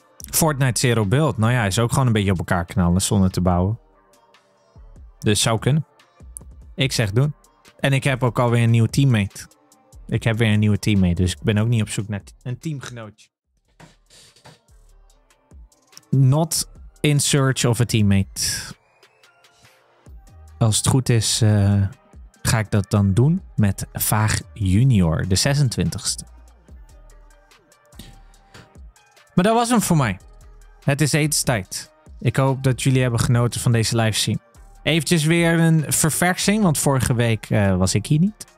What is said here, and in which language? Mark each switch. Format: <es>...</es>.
<nl>Fortnite Zero Build. Nou ja, is ook gewoon een beetje op elkaar knallen zonder te bouwen. Dus zou kunnen. Ik zeg doen. En ik heb ook alweer een nieuwe teammate. Ik heb weer een nieuwe teammate. Dus ik ben ook niet op zoek naar een teamgenootje.</nl> <en>Not in search of a teammate.</en> <nl>Als het goed is... ga ik dat dan doen met Vaag Junior, de 26e. Maar dat was hem voor mij. Het is etenstijd. Ik hoop dat jullie hebben genoten van deze livestream. Eventjes weer een verversing, want vorige week was ik hier niet.</nl>